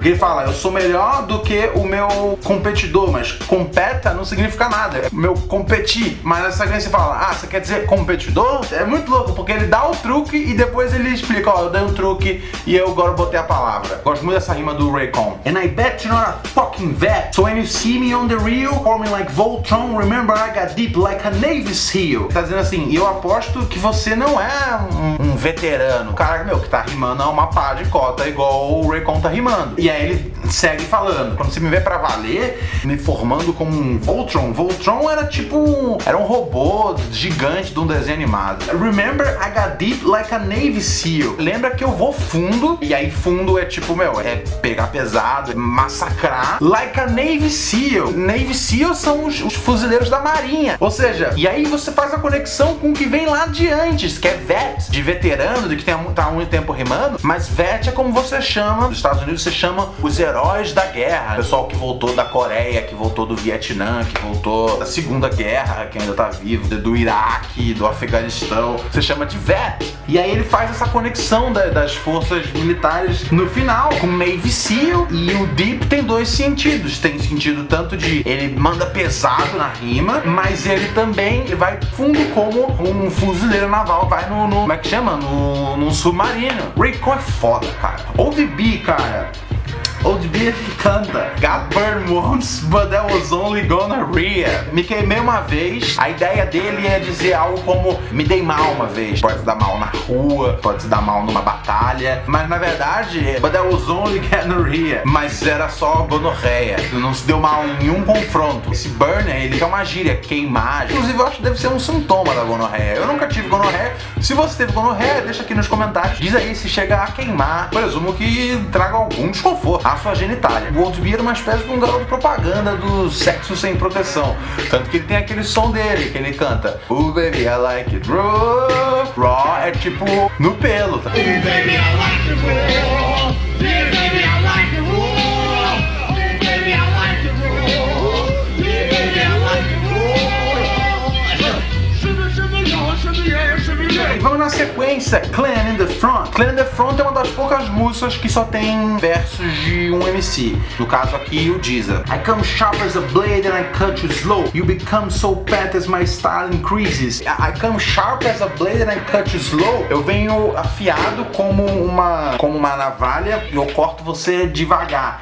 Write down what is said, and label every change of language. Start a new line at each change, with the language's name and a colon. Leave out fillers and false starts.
Portuguese: Ele fala, eu sou melhor do que o meu competidor, mas competa não significa nada. Meu competir. Mas essa criança fala, ah, você quer dizer competidor? É muito louco, porque ele dá o truque e depois ele explica, ó, oh, eu dei um truque e eu agora botei a palavra. Gosto muito dessa rima do Raycon.
English: And I bet you're not a fucking vet. So when you see me on the real, forming like Voltron, remember I got deep like a Navy SEAL.
Portuguese: Tá dizendo assim, eu aposto que você não é um veterano, cara, meu, que tá rimando a uma pá de cota, igual o Raycon tá rimando. E aí ele segue falando, quando você me vê pra valer, me formando como um Voltron. Voltron era tipo um, era um robô gigante de um desenho animado.
English: Remember I got deep like a Navy SEAL.
Portuguese: Lembra que eu vou fundo, e aí fundo é tipo, meu, é pegar pesado, é massacrar.
English: Like a Navy SEAL.
Portuguese: Navy SEAL são os fuzileiros da marinha. Ou seja, e aí você faz a conexão com o que vem lá de antes, que é vet, de veterano. rimando, de que tem, tá há muito tempo rimando, mas vet é como você chama, nos Estados Unidos você chama os heróis da guerra. O pessoal que voltou da Coreia, que voltou do Vietnã, que voltou da Segunda Guerra, que ainda tá vivo, do Iraque, do Afeganistão, você chama de vet. E aí ele faz essa conexão das forças militares no final, com o Navy Seal. E o Deep tem dois sentidos. Tem sentido tanto de ele manda pesado na rima, mas ele também vai fundo como um fuzileiro naval vai no como é que chama? No submarino. Raycon é foda, cara. Old B, cara. Old B canta.
English: Got burned once, but that was only gonorrhea.
Portuguese: Me queimei uma vez. A ideia dele é dizer algo como me dei mal uma vez. Pode se dar mal na rua, pode se dar mal numa batalha. Mas na verdade,
English: but that was only gonorrhea.
Portuguese: Mas era só gonorreia. Não se deu mal em nenhum confronto. Esse burn, ele é uma gíria, queimar. Inclusive, eu acho que deve ser um sintoma da gonorreia. Eu nunca tive gonorreia. Se você teve gonorreia, deixa aqui nos comentários. Diz aí se chega a queimar. Presumo que traga algum desconforto a sua genitália. O Old B era uma espécie de um garoto propaganda do sexo sem proteção. Tanto que ele tem aquele som dele, que ele canta
English: Ooh baby, I like it raw.
Portuguese: Raw é tipo no pelo, tá?
English: Ooh baby, I like it raw.
Portuguese: Na sequência, Clan in the Front. Clan in the Front é uma das poucas músicas que só tem versos de um MC. No caso aqui, o Deezer.
English: I come sharp as a blade and I cut you slow. You become so fat as my style increases. I come sharp as a blade and I cut you slow.
Portuguese: Eu venho afiado como uma navalha e eu corto você devagar.